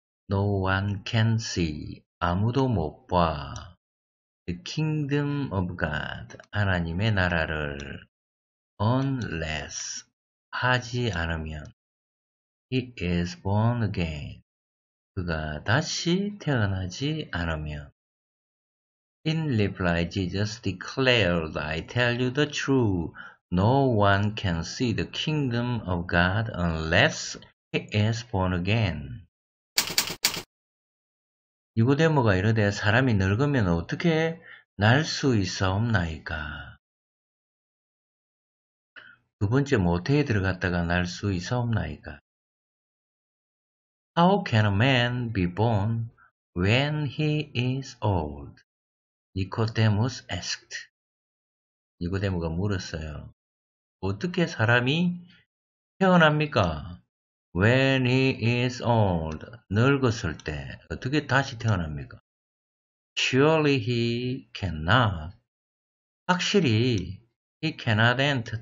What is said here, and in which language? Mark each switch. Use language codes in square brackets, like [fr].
[en] No one can see. [ko] 아무도 못 봐. [en] The kingdom of God. [ko] 하나님의 나라를 [en] unless [ko] 하지 않으면 [en] He is born again. [ko] 그가 다시 태어나지 않으면. [en] In reply, Jesus declared, I tell you the truth. No one can see the kingdom of God unless he is born again. [ko] 니고데모가 이르되 사람이 늙으면 어떻게 날 수 있사옵나이까? 두 번째 모태에 들어갔다가 날 수 있사옵나이까? [en] How can a man be born when he is old? Nicodemus asked. [ko] 니고데모가 물었어요. 어떻게 사람이 태어납니까? [en] When he is old, [ko] 늙었을 때 어떻게 다시 태어납니까? [en] Surely he cannot. 확실히 he cannot enter.